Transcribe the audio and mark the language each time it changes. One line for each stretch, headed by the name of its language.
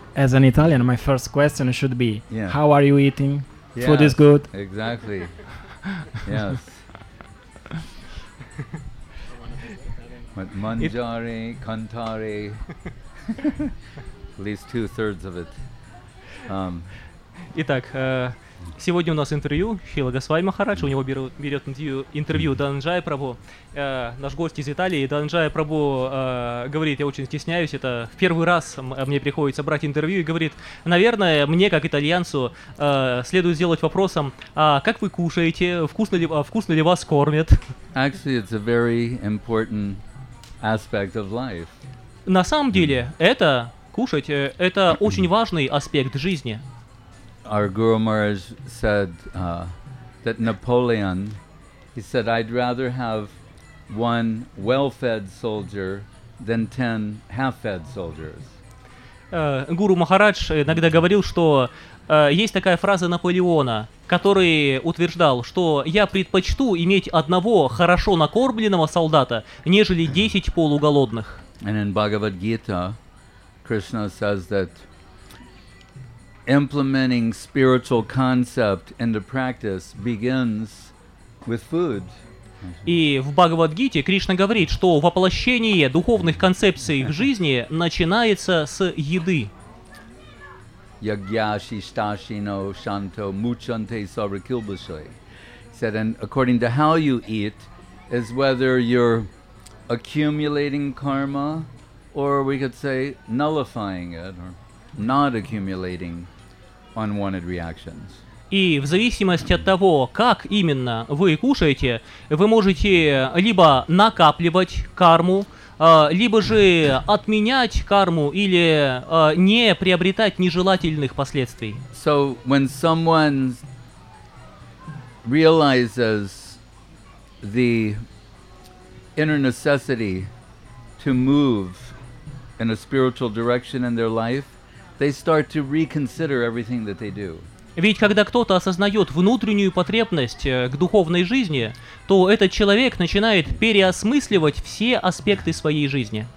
English: as an Italian, my first question should be, yeah, how are you eating? Yes. Food is good. Exactly. Yes. But
Italian: mangiare, cantare,
English: at least two-thirds of it.
Russian: Итак, сегодня у нас интервью Шрила Госвами Махараджа. У него берет интервью Дананджая Прабху. Наш гость из Италии. Дананджая Прабху говорит, я очень стесняюсь, это в первый раз мне приходится брать интервью, и говорит, наверное, мне, как итальянцу, следует сделать вопросом, а как вы кушаете, вкусно ли вас кормят?
English: Actually, it's a very important aspect of life.
Russian: На самом деле, это, кушать, это очень важный аспект жизни.
English: Our Guru Maharaj said that Napoleon, he said, I'd rather have one well-fed soldier than 10 half-fed soldiers.
Russian: Гуру Махарадж иногда говорил, что есть такая фраза Наполеона, который утверждал, что я предпочту иметь одного хорошо накормленного солдата, нежели 10 полуголодных.
English: And in Bhagavad Gita, Krishna says that implementing spiritual concept into practice begins with food.
Russian: И в Бхагавад-гите Кришна говорит, что воплощение духовных концепций в жизни начинается с еды.
Sanskrit: Yagyashishtashino shanto muchante sarakilbashai.
English: Said, and according to how you eat is whether you're accumulating karma, or we could say nullifying it, or not accumulating unwanted reactions.
Russian: И в зависимости от того, как именно вы кушаете, вы можете либо накапливать карму, либо же отменять карму или не приобретать нежелательных последствий.
English: So when someone realizes the inner necessity to move in a spiritual direction in their life, they start to reconsider everything that they do.
Russian: Ведь когда кто-то осознает внутреннюю потребность к духовной жизни, то этот человек начинает переосмысливать все аспекты своей жизни.